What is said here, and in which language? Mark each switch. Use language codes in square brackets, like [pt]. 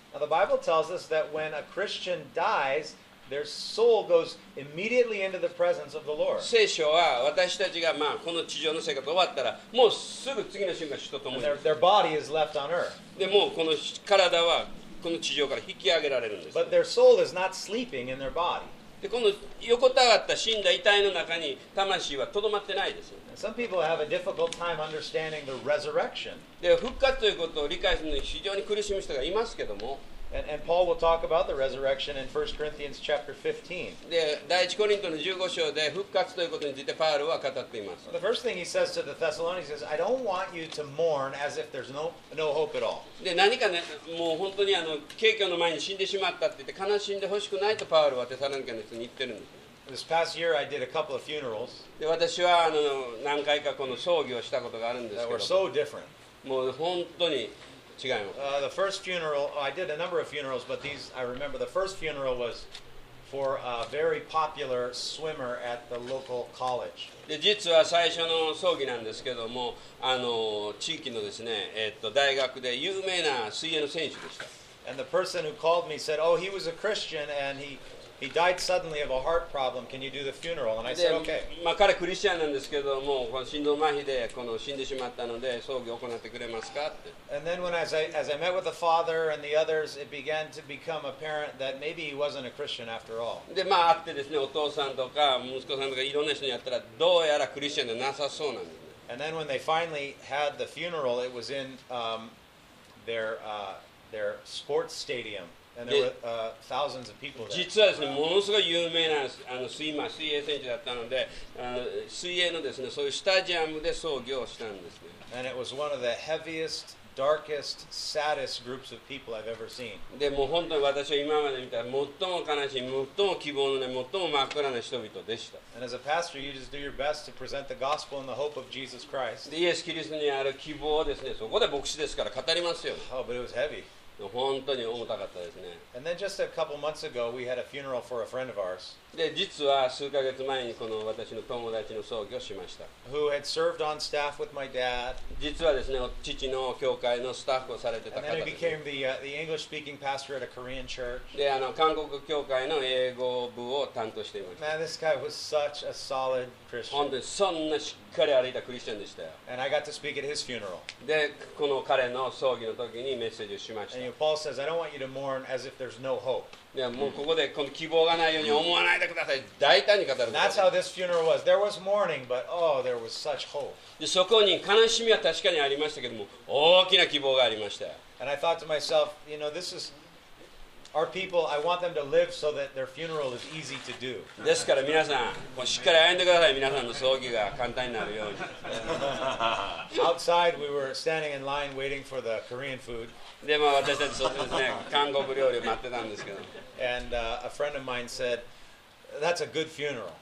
[en] Now the Bible tells us that when a Christian dies, their soul goes immediately into the presence of the Lord. [ja] 聖書は私たちが、まあ、この地上の生活が終わったら、もうすぐ次の瞬間死と共に。 [en] Their body is left on earth. [ja] でもうこの体はこの地上から引き上げられるんです、ね。 [en] But their soul is not sleeping in their body. [ja] でこの横たわった死んだ遺体の中に魂はとどまってないですよ。 [en] Some people have a difficult time understanding the resurrection. [ja] で復活ということを理解するのに非常に苦しむ人がいますけども。 [en] And Paul will talk about the resurrection in 1 Corinthians chapter 15. [ja] で第一コリントの15章で復活ということについてパウロは語っています。 [en] The first thing he says to the Thessalonians is, I don't want you to mourn as if there's no hope at all. [ja] で何かね、もう本当にあの景況の前に死んでしまったって言って悲しんでほしくないとパウロはテサロニケの人に言ってるんです。 [en] This past year, I did a couple of funerals. [ja] で私はあの何回かこの葬儀をしたことがあるんですけど。 [en] That were so different. [ja] もう本当に。 [en] The first funeral, I did a number of funerals, but these, I remember the first funeral was for a very popular swimmer at the local college. [ja] で、実は最初の葬儀なんですけども、あの、地域のですね、大学で有名な水泳の選手でした。 [en] And the person who called me said, oh, he was a Christian and he died suddenly of a heart problem. Can you do the funeral? And I said, okay. [ja] まあ、彼クリスチャンなんですけども、この心臓麻痺でこの死んでしまったので、葬儀を行ってくれますかって。 [en] And then when as I met with the father and the others, it began to become apparent that maybe he wasn't a Christian after all. [ja] で、まあ、会ってですね、お父さんとか息子さんとかいろんな人に会ったら、どうやらクリスチャンでなさそうなんですね。 [en] And then when they finally had the funeral, it was in their sports stadium. And there were, thousands of people there. [ja] 実はですね、ものすごい有名なあのスイマー、水泳選手だったので、水泳のですね、そういうスタジアムで葬儀をしたんですね。 [en] And it was one of the heaviest, darkest, saddest groups of people I've ever seen. [ja] で、もう本当に私は今まで見た最も悲しい、最も希望のない、最も真っ暗な人々でした。 [en] And as a pastor, you just do your best to present the gospel and the hope of Jesus Christ. [ja] で、イエス・キリストにある希望をですね、そこで牧師ですから語りますよ。 [en] Oh, but it was heavy. [ja] 本当に重たかったですね。 [en] And then just a couple months ago, we had a funeral for a friend of ours. [ja] で、実は数ヶ月前にこの私の友達の葬儀をしました。 [en] Who had served on staff with my dad. [ja] 実はですね、父の教会のスタッフをされてた方です。 [en] And then he became the English-speaking pastor at a Korean church. [ja] で、あの韓国教会の英語部を担当していました。 [en] Man, this guy was such a solid Christian. [ja] 本当にそんなしっかり歩いたクリスチャンでしたよ。 [en] And I got to speak at his funeral. [ja] で、この彼の葬儀の時にメッセージをしました。 [en] Paul says, I don't want you to mourn as if there's no hope. [ja] いや、もうここでこの希望がないように思わないでください。大胆に語ること。 [en] That's how this funeral was. There was mourning, but oh, there was such hope. [ja] で、そこに悲しみは確かにありましたけども、大きな希望がありました。 [en] And I thought to myself, you know, this is our people, I want them to live so that their funeral is easy to do. [ja] ですから皆さん、もうしっかり歩んでください。皆さんの葬儀が簡単になるように。 [en] Outside, we were standing in line waiting for the Korean food. [ja] でも私たちそうですね、韓国料理を待ってたんですけど。 [en] And a friend of mine said, that's a good funeral.